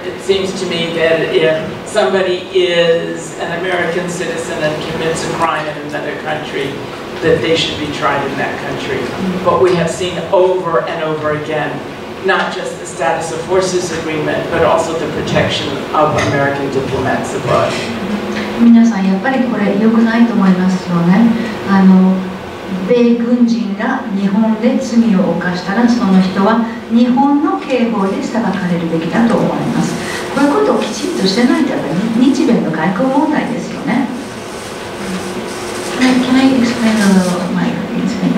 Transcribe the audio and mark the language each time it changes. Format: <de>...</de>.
<en>It seems to me that if somebody is an American citizen and commits a crime in another country, that they should be tried in that country. But we have seen over and over again, not just the Status of Forces Agreement, but also the protection of American diplomats abroad.</en> <ja>皆さんやっぱりこれ良くないと思いますよね。米軍人が日本で罪を犯したらその人は日本の刑法で裁かれるべきだと思います。こういうことをきちんとしてないとやっぱり日米の外交問題ですよね。</ja> <en>Can I explain a little what I know?</en>